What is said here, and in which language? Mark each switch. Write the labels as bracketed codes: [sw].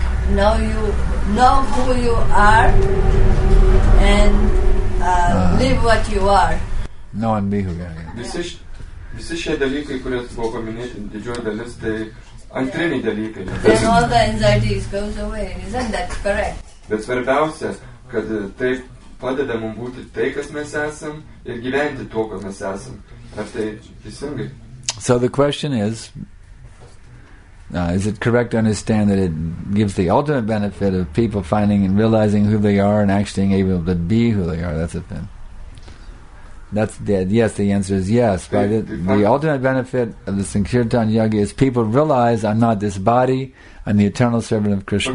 [en] Now you know who you are, and live what you are. No, and be who you are. All the anxieties go away, isn't that correct? Yes, yes. That's the most [lt] kad tai padeda mums būti tai, kas mes esam, ir gyventi tuo, kas mes esam. Ar tai teisingai? [en] So the question is, is it correct to understand that it gives the ultimate benefit of people finding and realizing who they are and actually being able to be who they are? That's a thing. That's dead. Yes, the answer is yes. But the ultimate benefit of the Sankirtan Yagya is people realize I'm not this body, I'm the eternal servant of Krishna.